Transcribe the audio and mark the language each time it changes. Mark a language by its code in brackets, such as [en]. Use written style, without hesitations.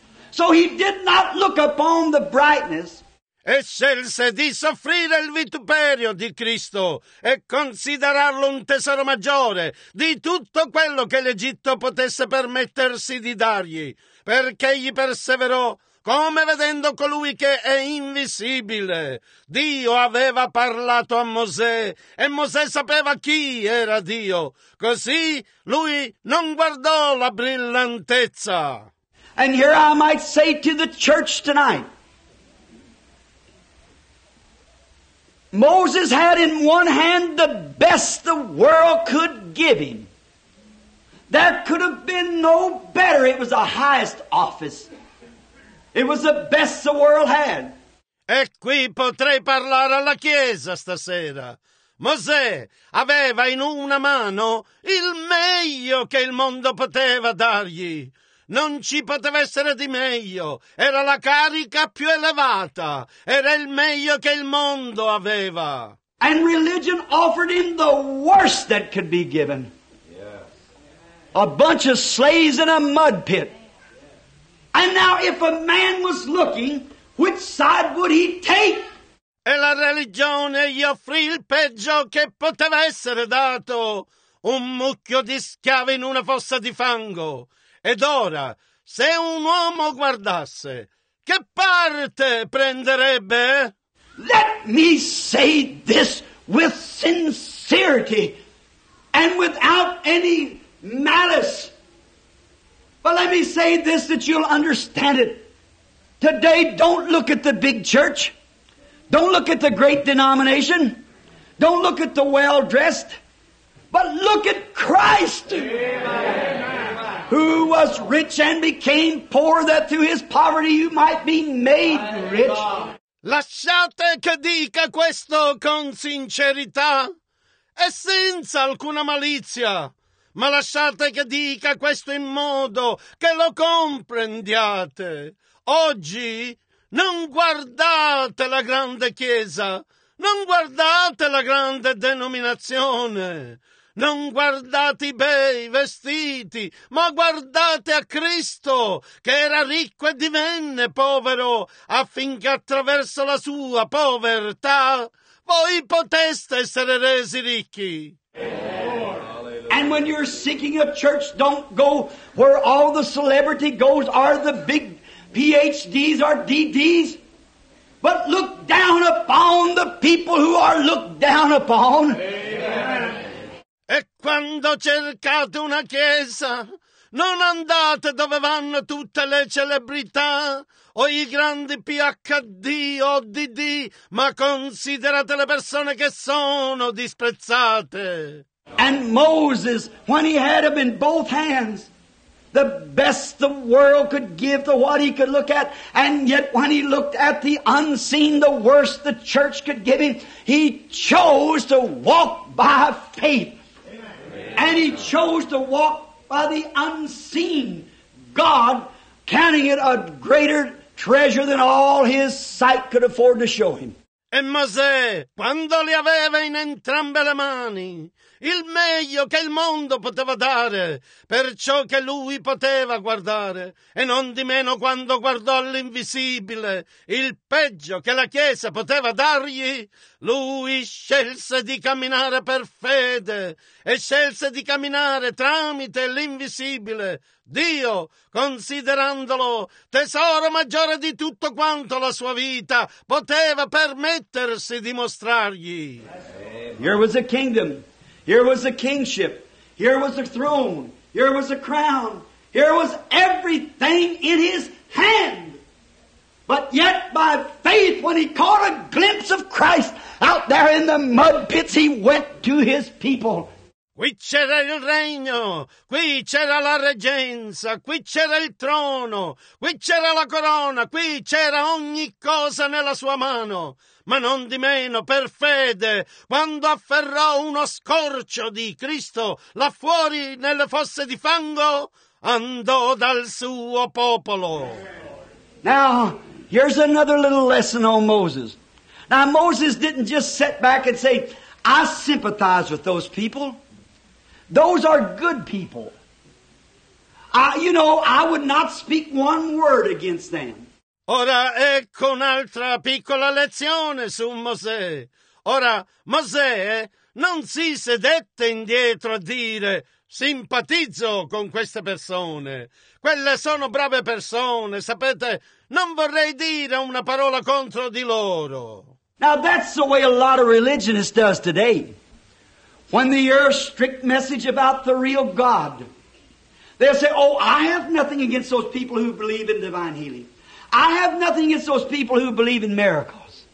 [en] So he did not look upon the brightness. [it] E scelse di soffrire il vituperio di Cristo e considerarlo un tesoro maggiore di tutto quello che l'Egitto potesse permettersi di dargli, perché egli perseverò come vedendo colui che è invisibile. Dio aveva parlato a Mosè e Mosè sapeva chi era Dio. Così lui non guardò la brillantezza. [en] And here I might say to the church tonight, Moses had in one hand the best the world could give him. There could have been no better. It was the highest office. It was the best the world had. [it] E qui potrei parlare alla Chiesa stasera. Mosè aveva in una mano il meglio che il mondo poteva dargli. Non ci poteva essere di meglio. Era la carica più elevata. Era il meglio che il mondo aveva. [en] And religion offered him the worst that could be given. A bunch of slaves in a mud pit. And now if a man was looking, which side would he take? [it] E la religione gli offrì il peggio che poteva essere dato. Un mucchio di schiavi in una fossa di fango. Ed ora, se un uomo guardasse, che parte prenderebbe? [en] Let me say this with sincerity and without any malice. But let me say this that you'll understand it. Today, don't look at the big church. Don't look at the great denomination. Don't look at the well-dressed. But look at Christ. Amen. Who was rich and became poor, that through his poverty you might be made rich. [it] Lasciate che dica questo con sincerità e senza alcuna malizia, ma lasciate che dica questo in modo che lo comprendiate. Oggi non guardate la grande chiesa, non guardate la grande denominazione. Non guardate i bei vestiti, ma guardate a Cristo, che era ricco e divenne povero, affinché attraverso la sua povertà voi poteste essere resi ricchi. [en] And when you're seeking a church, don't go where all the celebrity goes, are the big PhDs or DDs, but look down upon the people who are looked down upon. Amen. [it] E quando cercate una chiesa, non andate dove vanno tutte le celebrità o i grandi PhD o DD, ma considerate le persone che sono disprezzate. [en] And Moses, when he had him in both hands, the best the world could give to what he could look at, and yet when he looked at the unseen, the worst the church could give him, he chose to walk by faith. And he chose to walk by the unseen God, counting it a greater treasure than all his sight could afford to show him. [it] E Mosè, quando li aveva in entrambe le mani, il meglio che il mondo poteva dare per ciò che lui poteva guardare, e non di meno quando guardò all'invisibile, il peggio che la Chiesa poteva dargli, lui scelse di camminare per fede e scelse di camminare tramite l'invisibile, Dio, considerandolo tesoro maggiore di tutto quanto la sua vita poteva permettersi di mostrargli. [en] Here was a kingdom. Here was a kingship. Here was a throne. Here was a crown. Here was everything in his hand. But yet by faith, when he caught a glimpse of Christ out there in the mud pits, he went to his people. [it] Qui c'era il regno, qui c'era la reggenza, qui c'era il trono, qui c'era la corona, qui c'era ogni cosa nella sua mano. Ma non di meno, per fede, quando afferrò uno scorcio di Cristo là fuori nelle fosse di fango, andò dal suo popolo. [en] Now, here's another little lesson on Moses. Now, Moses didn't just sit back and say, I sympathize with those people. Those are good people. I would not speak one word against them. [it] Ora ecco un'altra piccola lezione su Mosè. Ora, Mosè non si sedette indietro a dire: simpatizzo con queste persone, quelle sono brave persone, sapete, non vorrei dire una parola contro di loro. [en] Now that's the way a lot of religionists does today. When they hear a strict message about the real God, they'll say, oh, I have nothing against those people who believe in divine healing. I have nothing against those people who believe in miracles.